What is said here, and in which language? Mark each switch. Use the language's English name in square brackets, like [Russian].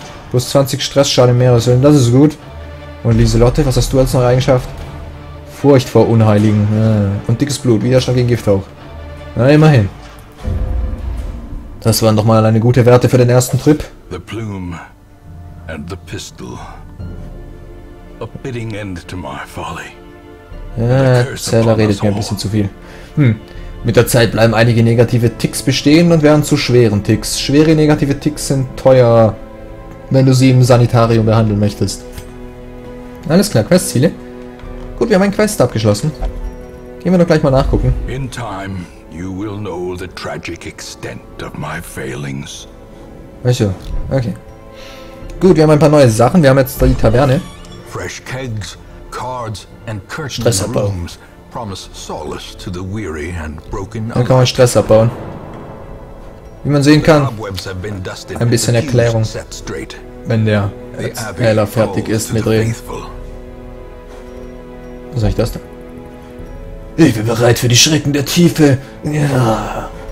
[German] Plus 20 Stressschaden im Meereshöhlen, das ist gut. Und Lieselotte, was hast du als neue Eigenschaft? Furcht vor Unheiligen. Und dickes Blut, Widerstand gegen Gift auch. Na, immerhin. Das waren doch mal eine gute Werte für den ersten Trip. [English] The plume and the pistol. A bidding end to my folly. [German] Zeller redet mir ein bisschen zu viel. Mit der Zeit bleiben einige negative Ticks bestehen und werden zu schweren Ticks. Schwere negative Ticks sind teuer, wenn du sie im Sanitarium behandeln möchtest. Alles klar, Questziele. Gut, wir haben ein Quest abgeschlossen. Gehen wir doch gleich mal nachgucken. [English] In time, you will know the tragic extent of my failings. [German] Also, okay. Gut, wir haben ein paar neue Sachen. Wir haben jetzt die Taverne. [English] Fresh kegs, cards and curtains and rooms promise solace to the weary and broken. [German] Dann kann man Stress abbauen. Wie man sehen kann, ein bisschen Erklärung, wenn der Erzähler fertig ist mit Reden. Was sag ich das da? Ich bin bereit für die Schrecken der Tiefe. Ja.